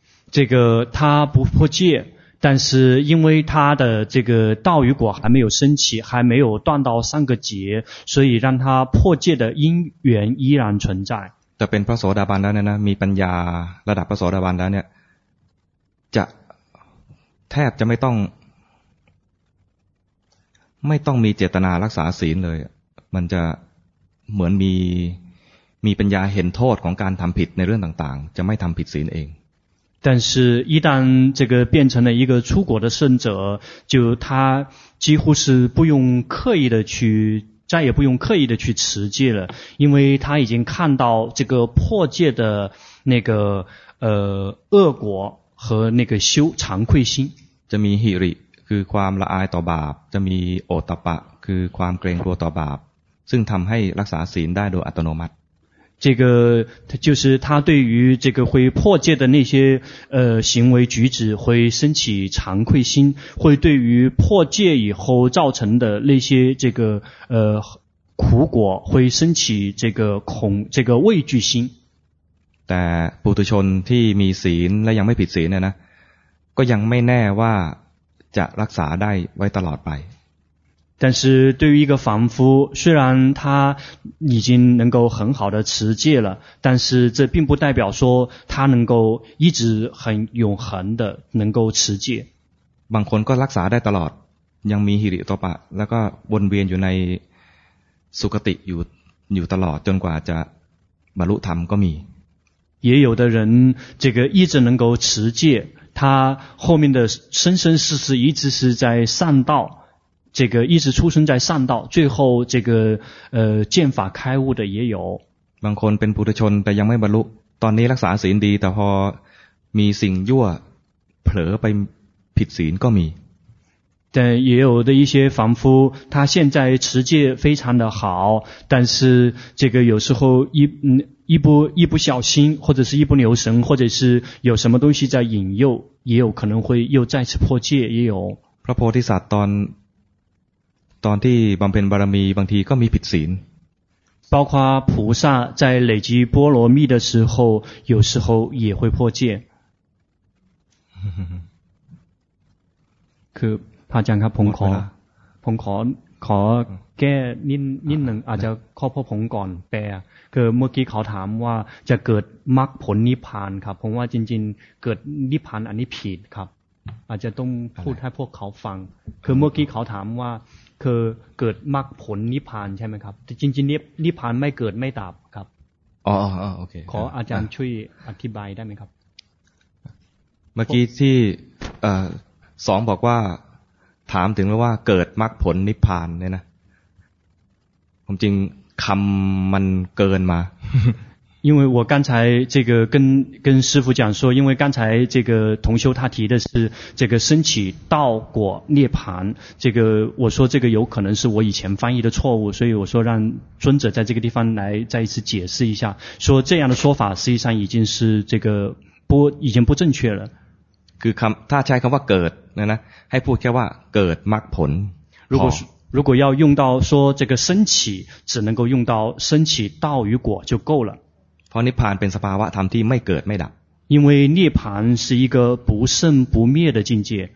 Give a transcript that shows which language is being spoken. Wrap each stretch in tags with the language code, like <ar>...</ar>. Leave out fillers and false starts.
<zh>这个他不破戒但是因为他的这个道与果还没有升起还没有断到三个劫所以让他破戒的因缘依然存在</zh> <th>แต่เป็นพระโสดาบันแล้วเนี่ยนะมีปัญญาระดับพระโสดาบันแล้วเนี่ยจะแทบจะไม่ต้องมีเจตนารักษาศีลเลยมันจะเหมือนมีปัญญาเห็นโทษของการทำผิดในเรื่องต่างๆจะไม่ทำผิดศีลเอง</th> <zh>但是一旦这个变成了一个出果的圣者就他几乎是不用刻意的去再也不用刻意的去持戒了因为他已经看到这个破戒的那个恶果和那个羞惭愧心</zh> <th>จะมีหิริคือความละอายต่อบาปจะมีโอตตัปปะคือความเกรงกลัวต่อบาปซึ่งทำให้รักษาศีลได้โดยอัตโนมัติ</th> <zh>这个就是他对于这个会破戒的那些行为举止会升起惭愧心会对于破戒以后造成的那些这个苦果会升起这个畏惧心</zh> <th>แต่ปุถุชนที่มีศีลและยังไม่ผิดศีลเนี่ยนะก็ยังไม่แน่ว่าจะรักษาได้ไว้ตลอดไป</th> <zh>但是对于一个凡夫虽然他已经能够很好的持戒了但是这并不代表说他能够一直很永恒的能够持戒</zh> <th>บางคนก็รักษาได้ตลอดยังมีหิริโอตตัปปะแล้วก็วนเวียนอยู่ในสุคติอยู่ตลอดจนกว่าจะบรรลุธรรมก็มี</th> <zh>也有的人这个一直能够持戒，他后面的生生世世一直是在善道，这个一直出生在善道，最后这个见法开悟的也有。</zh> <th>บางคนเป็นปุถุชนแต่ยังไม่บรรลุตอนนี้รักษาศีลดีแต่พอมีสิ่งยั่วเผลอไปผิดศีลก็มี。</th> <zh>但也有的一些凡夫，他现在持戒非常的好，但是这个有时候一不小心，或者是一不留神，或者是有什么东西在引诱，也有可能会又再次破戒，也有。</zh> <th>พระโพธิสัตว์ตอนที่บำเพ็ญบารมีบางทีก็มีผิดศีล。</th> <zh>包括菩萨在累积波罗蜜的时候，有时候也会破戒。</zh> <th>可พระอาจารย์ครับผมขอแก้นิดหนึ่งอาจจะข้อพ่อผมก่อนแปลคือเมื่อกี้เขาถามว่าจะเกิดมรรคผลนิพพานครับผมว่าจริงๆเกิดนิพพานอันนี้ผิดครับอาจจะต้องพูดให้พวกเขาฟังคือเมื่อกี้เขาถามว่าคือเกิดมรรคผลนิพพานใช่ไหมครับจริงๆนิพพานไม่เกิดไม่ดับครับ อ๋อโอเค ขออาจารย์ช่วยอธิบายได้ไหมครับ เมื่อกี้ที่สองบอกว่าถามถึงแล้วว่าเกิดมรรคผลนิพพานเนี่ยนะผมจริงคำมันเกินมา</th> <zh>因为我刚才这个跟师父讲说因为刚才这个同修他提的是这个升起道果涅槃这个我说这个有可能是我以前翻译的错误所以我说让尊者在这个地方来再一次解释一下说这样的说法实际上已经是这个已经不正确了</zh> <th>คือคำถ้าใช้คำว่าเกิดนะให้พูดแค่ว่าเกิดมรรคผล</th> <zh>如果要用到说这个升起只能够用到升起道与果就够了</zh> <th>เพราะนิพพานเป็นสภาวะธรรมที่ไม่เกิดไม่ดับ</th> <zh>因为涅槃是一个不生不灭的境界</zh>